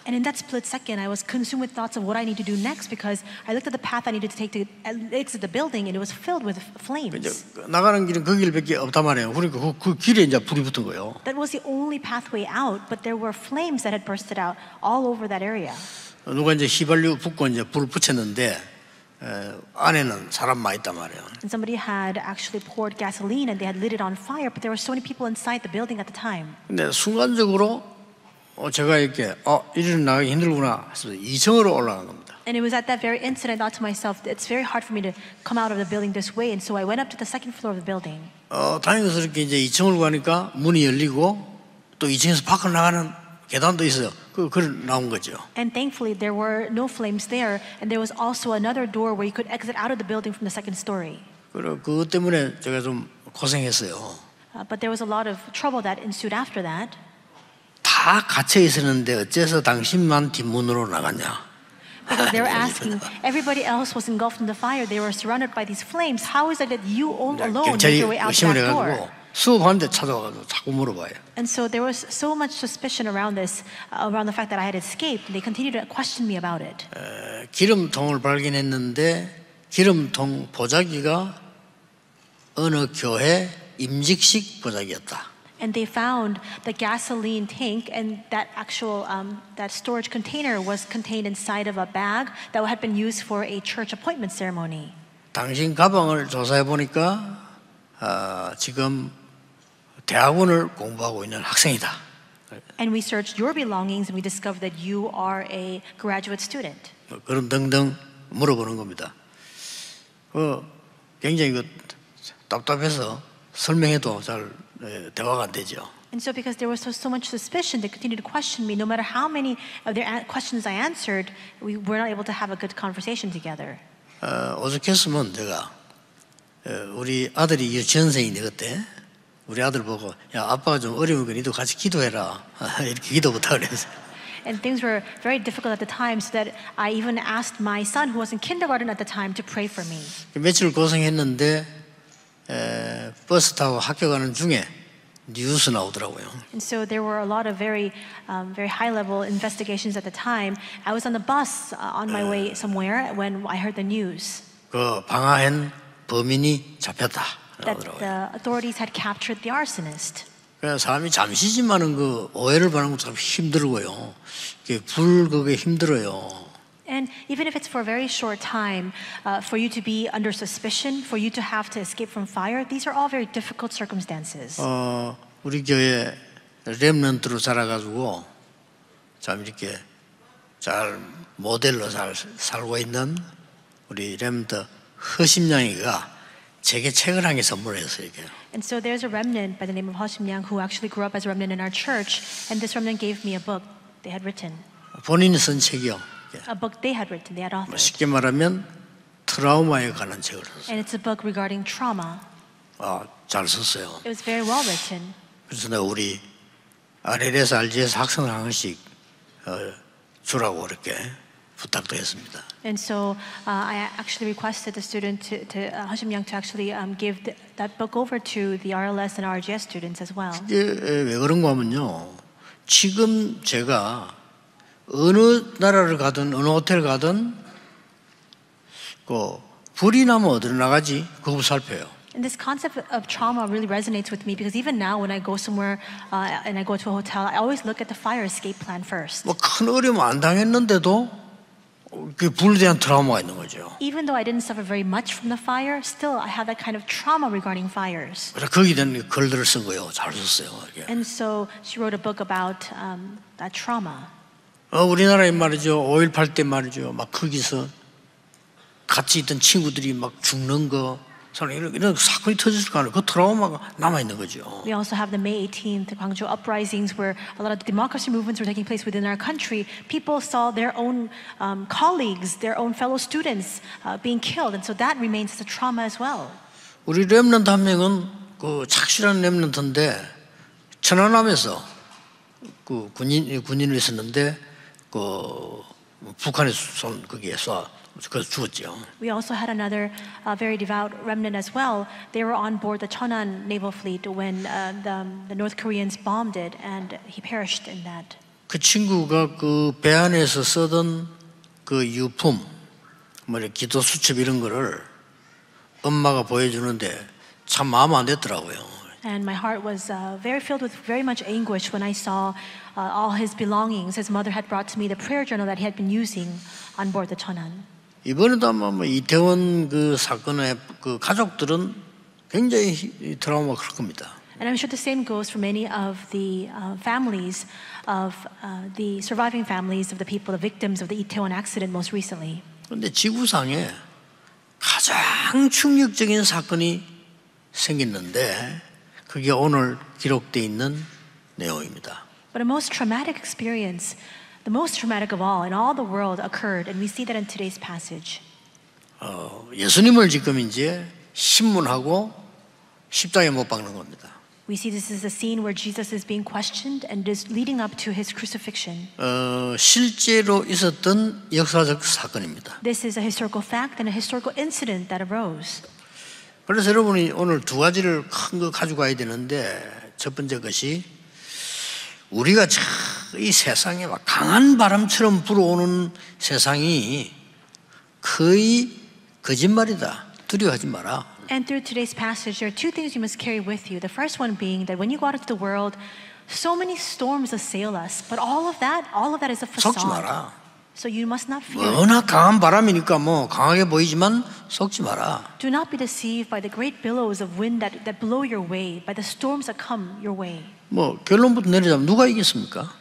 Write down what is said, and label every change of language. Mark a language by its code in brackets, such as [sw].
[en] And in that split second, I was consumed with thoughts of what I need to do next because I looked at the path I needed to take to exit the building, and it was filled with flames. [ko] 나가는 길은 그 길밖에 없단 말이에요. 그러니까 그 길에 이제 불이 붙은 거예요. [en] That was the only pathway out, but there were flames that had bursted out all over that area. [ko] 누가 이제 휘발유 붓고 이제 불 붙였는데 안에는 사람 많이 있단 말이에요. [en] And somebody had actually poured gasoline and they had lit it on fire, but there were so many people inside the building at the time. [ko] 근데 순간적으로 제가 이렇게 이리로 나가기 힘들구나 해서 2층으로 올라간 겁니다. [en] And it was at that very incident I thought to myself, it's very hard for me to come out of the building this way, and so I went up to the second floor of the building. [ko] 다행스럽게 이제 2층으로 가니까 문이 열리고 또 2층에서 밖으로 나가는 계단도 있어요. 그걸 나온 거죠. [en] And thankfully there were no flames there, and there was also another door where you could exit out of the building from the second story. [ko] 그래 그것 때문에 제가 좀 고생했어요. [en] But there was a lot of trouble that ensued after that. [ko] 다 갇혀 있었는데 어째서 당신만 뒷문으로 나갔냐? [en] Because they were asking, everybody else was engulfed in the fire. They were surrounded by these flames. How is it that you all alone made your way out that door? [ko] 수업하는데 찾아와서 자꾸 물어봐요. [en] And so there was so much suspicion around this, around the fact that I had escaped. They continued to question me about it. [ko] 기름통을 발견했는데 기름통 보자기가 어느 교회 임직식 보자기였다. [en] And they found the gasoline tank and that actual that storage container was contained inside of a bag that had been used for a church appointment ceremony. [ko] 당신 가방을 조사해 보니까 지금 대학원을 공부하고 있는 학생이다. [en] And we searched your belongings and we discovered that you are a graduate student. [ko] 그런 등등 물어보는 겁니다. 굉장히 답답해서 설명해도 잘 대화가 안 되죠. [en] And so because there was so much suspicion, they continued to question me. No matter how many of their questions I answered, we were not able to have a good conversation together. [ko] 어저께서는 제가 우리 아들이 유치원생인데 그때 우리 아들 보고 야 아빠가 좀 어려운 거 너도 같이 기도해라 이렇게 기도 부탁을 했어요. [en] And things were very difficult at the time, so that I even asked my son, who was in kindergarten at the time, to pray for me. [ko] 며칠 고생했는데. 버스 타고 학교 가는 중에 뉴스 나오더라고요. [en] And so there were a lot of very high-level investigations at the time. I was on the bus on my way somewhere when I heard the news. [ko] 그 방화한 범인이 잡혔다. [en] That the authorities had captured the arsonist. [ko] 사람이 잠시지만은 그 오해를 받는 것도 참 힘들고요. 불 그게 힘들어요. [en] And even if it's for a very short time, for you to be under suspicion, for you to have to escape from fire, these are all very difficult circumstances. [ko] 우리 교회 렘넌트로 살아가지고 참 이렇게 잘 모델로 살고 있는 우리 렘넌트 허심양이가 제게 책을 한 개 선물했어요. 이게. [en] And so there's a remnant by the name of Hoshim Yang who actually grew up as a remnant in our church, and this remnant gave me a book they had written. [ko] 본인이 쓴 책이요. [en] A book they had written, they had authored. [ko] 쉽게 말하면 트라우마에 관한 책을 썼어요. [en] And it's a book regarding trauma. [ko] 아, 잘 썼어요. [en] It was very well written. [ko] 그래서 내가 우리 RLS, RGS 학생 한 명씩 주라고 그렇게 부탁도 했습니다. [en] And so I actually requested the student to Hoshim Yang to actually give that book over to the RLS and RGS students as well. [ko] 이게 왜 그런 거 하면요. 지금 제가 어느 나라를 가든 어느 호텔 가든 그 불이 나면 어디로 나가지? 그거 살펴요. [en] And this concept of trauma really resonates with me because even now when I go somewhere and I go to a hotel, I always look at the fire escape plan first. [ko] 뭐 큰 어려움 안 당했는데도 그 불에 대한 트라우마가 있는 거죠. [en] Even though I didn't suffer very much from the fire, still I have that kind of trauma regarding fires. [ko] 그래서 거기든 글들을 쓴 거예요. 잘 썼어요. 이게. [en] And so she wrote a book about that trauma. [ko] 우리나라에 말이죠. 5.18 때 말이죠. 막 거기서 같이 있던 친구들이 막 죽는 거. 이런 사건이 터질 거 아니에요. 그 트라우마가 남아있는 거죠. [en] We also have the May 18th Gwangju uprisings where a lot of the democracy movements were taking place within our country. People saw their own colleagues, their own fellow students being killed. And so that remains as a trauma as well. [ko] 우리 렘넌트 한 명은 그 착실한 렘넌트인데 천안함에서 그 군인을 했었는데 그 북한에 쏜 거기에 쏴. 그래서 죽었죠. [en] We also had another very devout remnant as well. They were on board the Cheonan naval fleet when the North Koreans bombed it and he perished in that. [ko] 그 친구가 그 배 안에서 쓰던 그 유품 뭐 기도 수첩 이런 거를 엄마가 보여주는데 참 마음 안 됐더라고요. [en] And my heart was very filled with very much anguish when I saw all his belongings. His mother had brought to me the prayer journal that he had been using on board the Cheonan. [ko] 이번에도 아마 뭐 이태원 그 사건의 그 가족들은 굉장히 트라우마가 클 겁니다. [en] And I'm sure the same goes for many of the families of the surviving families of the people, the victims of the Itaewon accident most recently. [ko] 그런데 지구상에 가장 충격적인 사건이 생겼는데 그게 오늘 기록되어 있는 내용입니다. [en] But a most traumatic experience. The most traumatic of all in all the world occurred, and we see that in today's passage. [ko] 예수님을 지금 이제 심문하고 십자가에 못 박는 겁니다. [en] We see this is a scene where Jesus is being questioned and is leading up to his crucifixion. [ko] 실제로 있었던 역사적 사건입니다. [en] This is a historical fact and a historical incident that arose. [ko] 그래서 여러분이 오늘 두 가지를 큰 거 가지고 와야 되는데 첫 번째 것이 우리가 이 세상에 막 강한 바람처럼 불어오는 세상이 거의 거짓말이다. 두려워하지 마라. [en] And through today's passage, there are two things you must carry with you. The first one being that when you go out into the world, so many storms assail us. But all of that is a facade. [ko] 속지 마라. [en] So you must not fear. [ko] 워낙 강한 바람이니까 뭐 강하게 보이지만 속지 마라. [en] Do not be deceived by the great billows of wind that blow your way, by the storms that come your way. [ko] 뭐 결론부터 내리자면 누가 이겼습니까?